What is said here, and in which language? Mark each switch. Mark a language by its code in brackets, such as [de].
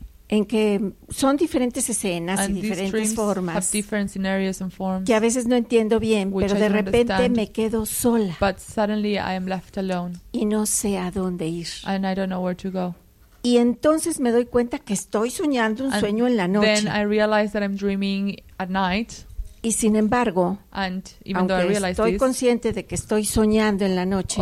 [es] En que son diferentes escenas y diferentes formas. [en] Have different scenarios and forms, [es] que a veces no entiendo bien, pero de repente me quedo sola. [en] But suddenly I am left alone. [es] Y no sé a dónde ir. [en] And I don't know where to go. [es] Y entonces me doy cuenta que estoy soñando un sueño en la noche. [en] Then I realize that I'm dreaming at night. [es] Y sin embargo, [en] and even though I realize [es] estoy [en] this, [es] consciente de que estoy soñando en la noche,